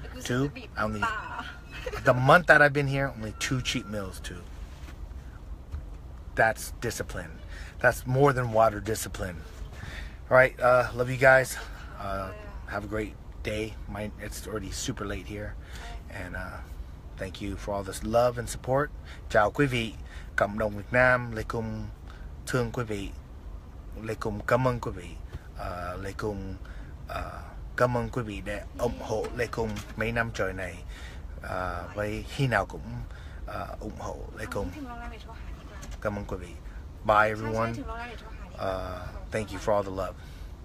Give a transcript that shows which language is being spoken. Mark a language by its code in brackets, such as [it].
[en] The month that I've been here, only two cheap meals, too. That's discipline. That's more than water discipline. All right, love you guys. Have a great day. It's already super late here. And thank you for all this love and support. [vi] Chào quý vị. Cảm động Việt Nam. Lê cùng thương quý vị. Lê cùng cảm ơn quý vị. Lê Cung cảm ơn quý vị đã ủng hộ Lê Cung mấy năm trời này. Với khi nào cũng ủng hộ Lê Cung. Cảm ơn quý vị. [en] Bye everyone. Thank you for all the love.